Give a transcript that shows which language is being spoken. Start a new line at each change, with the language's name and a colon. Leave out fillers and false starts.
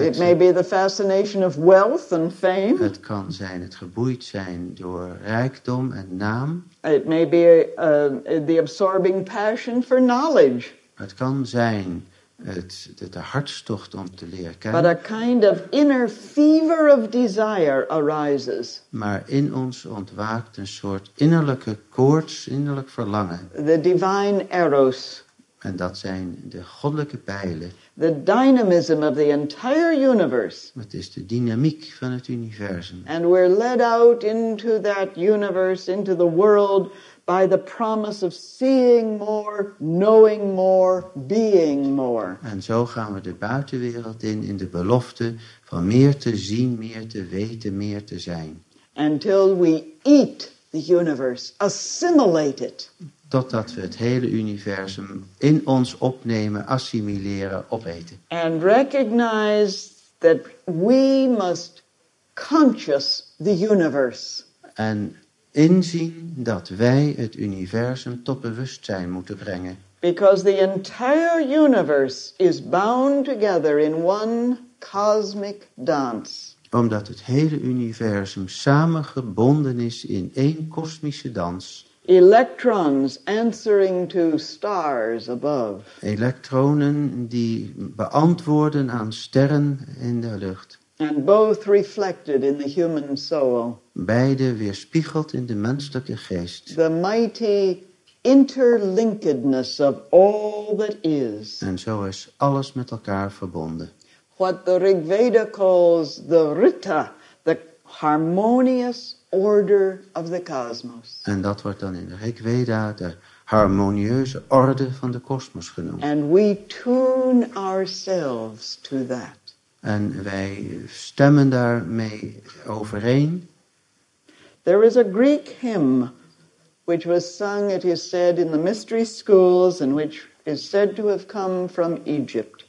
English: It may be the fascination of wealth and fame.
Dutch: Het kan zijn het geboeid zijn door rijkdom en naam.
English: It may be the absorbing passion for knowledge.
Dutch: Het kan zijn de hartstocht om te leren kennen.
English: But a kind of inner fever of desire arises.
Dutch: Maar in ons ontwaakt een soort innerlijke koorts, innerlijk verlangen.
English: The divine eros.
Dutch: En dat zijn de goddelijke pijlen.
English: The dynamism of the entire universe.
Dutch: Het is de dynamiek van het universum.
English: And we're led out into that universe, into the world, by the promise of seeing more, knowing more, being more.
Dutch: En zo gaan we de buitenwereld in de belofte van meer te zien, meer te weten, meer te zijn.
English: Until we eat the universe, assimilate it.
Dutch: Totdat we het hele universum in ons opnemen, assimileren, opeten.
English: And recognize that we must conscious the universe.
Dutch: En inzien dat wij het universum tot bewustzijn moeten brengen.
English: Because the entire universe is bound together in one cosmic dance.
Dutch: Omdat het hele universum samengebonden is in één kosmische dans.
English: Electrons answering to stars above.
Dutch: Elektronen die beantwoorden aan sterren in de lucht.
English: And both reflected in the human soul.
Dutch: Beide weerspiegeld in de menselijke geest.
English: The mighty interlinkedness of all that is.
Dutch: En zo is alles met elkaar verbonden.
English: What the Rigveda calls the Ritta, the harmonious order of the cosmos.
Dutch: En dat wordt dan in de Rigveda de harmonieuze orde van de kosmos genoemd.
English: And we tune ourselves to that.
Dutch: En wij stemmen daarmee overeen.
English: There is a Greek hymn which was sung, it is said, in the mystery schools and which is said to have come from Egypt.